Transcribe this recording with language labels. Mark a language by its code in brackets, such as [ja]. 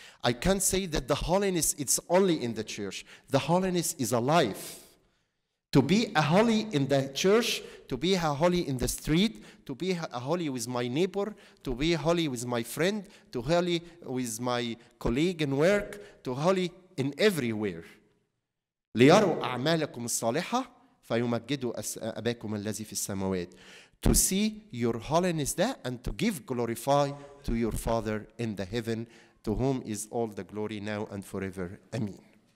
[en] I can't say that the holiness is only in the church. The holiness is a life. To be a holy in the church, to be a holy in the street, to be a holy with my neighbor, to be holy with my friend, to holy with my colleague in work, to holy in everywhere. [ar] ليروا أعمالكم الصالحة فيمجدوا أباكم الذي في السماوات. [en] To see your holiness there and to give glorify to your Father in the heaven, to whom is all the glory now and forever. Amen.